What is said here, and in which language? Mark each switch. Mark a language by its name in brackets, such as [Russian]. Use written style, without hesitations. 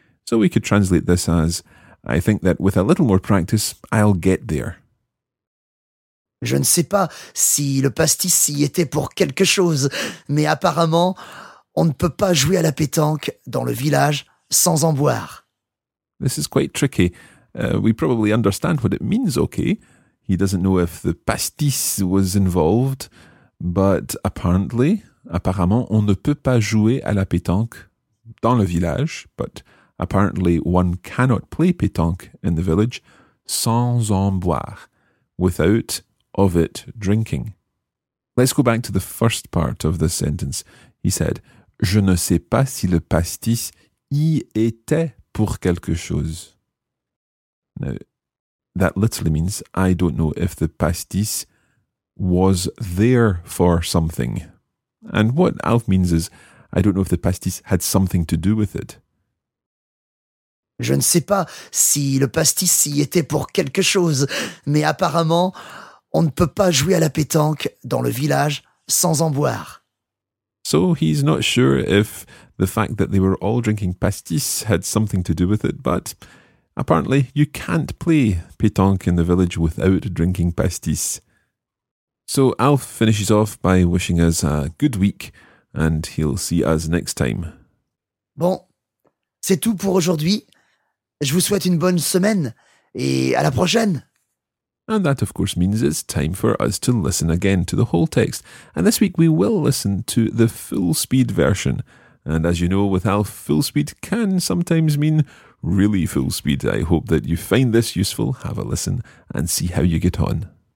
[English] So we could translate this as, I think that with a little more practice, I'll get there. [French] Je ne sais pas si le pastis y était pour quelque chose, mais apparemment, on ne peut pas jouer à la pétanque dans le village sans en boire. [English] This is quite tricky. We probably understand what it means, okay. He doesn't know if the pastis was involved, but [French] apparemment, on ne peut pas jouer à la pétanque dans le village, [English] but apparently one cannot play pétanque in the village [French] sans en boire, [English] without of it drinking. Let's go back to the first part of the sentence. He said, [French] je ne sais pas si le pastis y était pour quelque chose. [English] Now, That literally means, I don't know if the pastis was there for something. And what Alf means is, I don't know if the pastis had something to do with it. [French] Je ne sais pas si le pastis y était pour quelque chose, mais apparemment, on ne peut pas jouer à la pétanque dans le village sans en boire. [English] So he's not sure if the fact that they were all drinking pastis had something to do with it, but apparently you can't play pétanque in the village without drinking pastis. So Alf finishes off by wishing us a good week, and he'll see us next time. [French] Bon, c'est tout pour aujourd'hui. Je vous souhaite une bonne semaine, et à la prochaine! [English] And that, of course, means it's time for us to listen again to the whole text. And this week we will listen to the full speed version. And as you know, with Alf, full speed can sometimes mean really full speed. I hope that you find this useful. Have a listen and see how you get on.